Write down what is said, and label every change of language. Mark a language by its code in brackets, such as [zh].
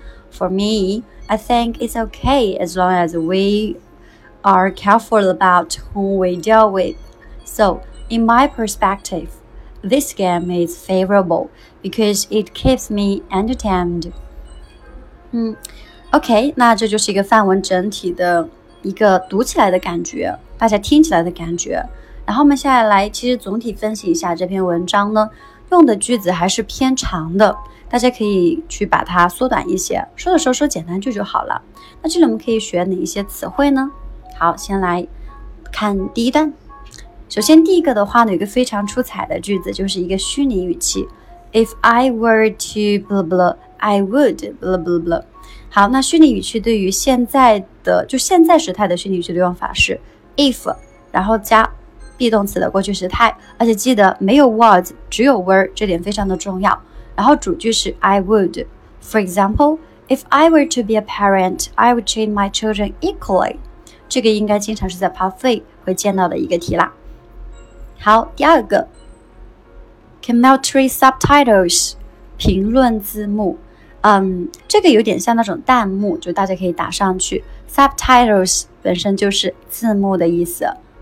[en] For me, I think it's okay as long as we are careful about whom we deal with. So, in my perspective, This game is favorable because it keeps me entertained. [zh] OK, 那这就是一个范文整体的一个读起来的感觉，大家听起来的感觉。然后我们现在来其实总体分析一下这篇文章呢，用的句子还是偏长的，大家可以去把它缩短一些，说的时候说简单句就好了。那这里我们可以学哪一些词汇呢？好，先来看第一段。首先第一个的话呢，有一个非常出彩的句子，就是一个虚拟语气， [en] If I were to blah blah, [zh] I would blah blah blah。好，那虚拟语气对于现在的就现在时态的虚拟语气的用法是 if 然后加be 动词的过去时态，而且记得没有 was 只有 were， 这点非常的重要。然后主句是 [en] I would， For example， If I were to be a parent， I would treat my children equally。 [zh] 这个应该经常是在 parfait 会见到的一个题啦。好，第二个 Commentary subtitles， 评论字幕。这个有点像那种弹幕，就大家可以打上去， subtitles 本身就是字幕的意思。